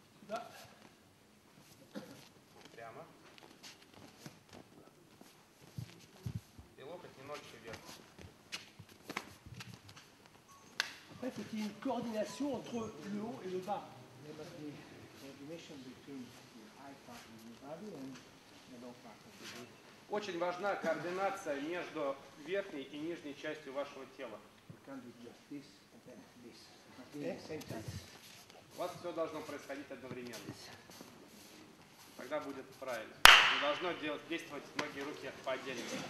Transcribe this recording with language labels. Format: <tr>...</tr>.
<ru>Прямо. И локоть немножечко вверх.</ru> <fr>En fait, il faut qu'il y ait une coordination entre le haut et le bas.</fr> <en>There must be coordination between the high part of the body and the low part of the body.</en> <ru>Очень важна координация между верхней и нижней частью вашего тела.</ru> <en>It can't be just this and then this. It must be at the same time.</en> <ru>У вас все должно происходить одновременно. Тогда будет правильно. Не должно делать, действовать ноги и руки по отдельности.</ru>